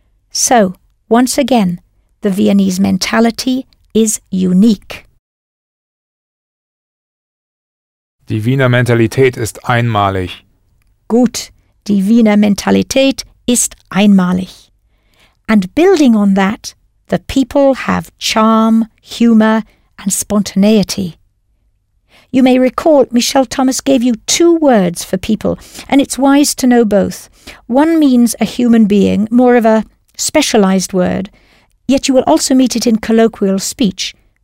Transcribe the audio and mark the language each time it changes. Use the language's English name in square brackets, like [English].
[English] So, once again, the Viennese mentality is unique. [German] Die Wiener Mentalität ist einmalig. Gut, die Wiener Mentalität ist einmalig. [English] And building on that, the people have charm, humor, and spontaneity. You may recall Michel Thomas gave you two words for people, and it's wise to know both. One means a human being, more of a specialized word, yet you will also meet it in colloquial speech.